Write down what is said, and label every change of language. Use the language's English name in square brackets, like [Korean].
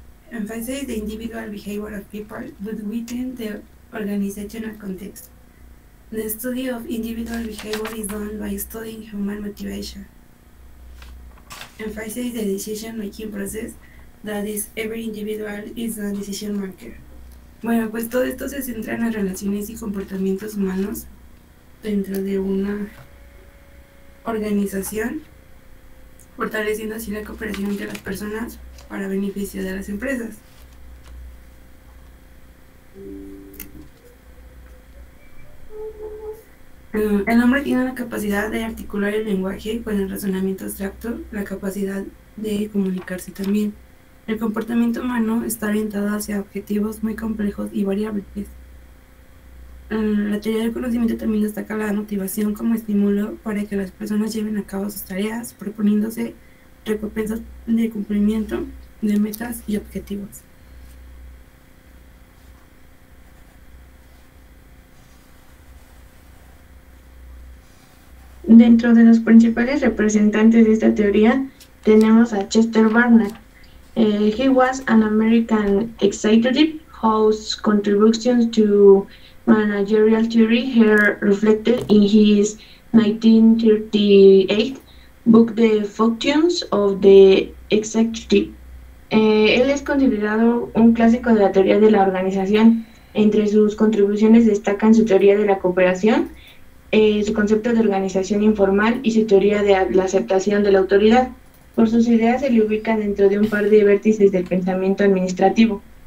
[English] Emphasize the individual behavior of people but within the organizational context. The study of individual behavior is done by studying human motivation. Emphasize the decision making process that is every individual is a decision maker. [Spanish] Bueno, pues todo esto se centra en las relaciones y comportamientos humanos dentro de una organización, fortaleciendo así la cooperación entre las personas para beneficio de las empresas. El hombre tiene la capacidad de articular el lenguaje con el razonamiento abstracto, la capacidad de comunicarse también. El comportamiento humano está orientado hacia objetivos muy complejos y variables. La teoría del conocimiento también destaca la motivación como estímulo para que las personas lleven a cabo sus tareas, proponiéndose recompensas de cumplimiento de metas y objetivos. Dentro de los principales representantes de esta teoría tenemos a Chester Barnard. [English] He was an American executive whose contributions to managerial theory are reflected in his 1938 book The Functions of the Executive. [Spanish] Él es considerado un clásico de la teoría de la organización. Entre sus contribuciones destacan su teoría de la cooperación, su concepto de organización informal y su teoría de la aceptación de la autoridad. Por sus ideas se le ubica dentro de un par de vértices del pensamiento administrativo.